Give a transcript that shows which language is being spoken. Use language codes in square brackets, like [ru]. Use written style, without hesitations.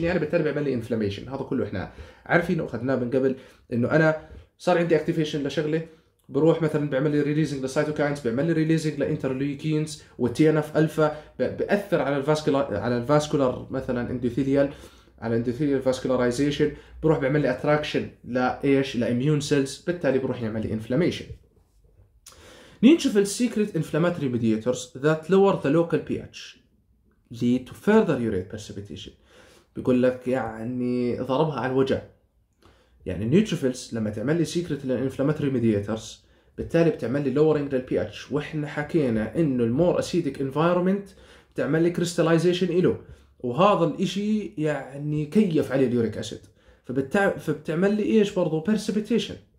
[ar] يعني بالتالي بيعمل لي inflammation. هذا كله احنا عارفينه اخذناه من قبل، انه انا صار عندي activation لشغله بروح مثلا بيعمل لي [en] releasing the cytokines، [ar] بيعمل لي [en] releasing the interleukins [ar] و TNF alpha، بأثر على الفاسكولار مثلا endothelial على endothelial vascularization، بروح بعمل لي attraction لايش لاميون سيلز، بالتالي بروح يعمل لي inflammation. [en] neutrophils secret inflammatory mediators that lower the local pH lead to further urate precipitation. [ar] بيقول لك يعني ضربها على الوجع، يعني neutrophils لما تعمل لي [en] secret inflammatory mediators [ar] بالتالي بتعمل لي lowering للـ pH، واحنا حكينا انه [en] more acidic environment [ar] بتعمل لي crystallization له، وهذا الاشي يعني كيف عليه اليوريك اسيد، فبتعمل لي ايش برضو precipitation.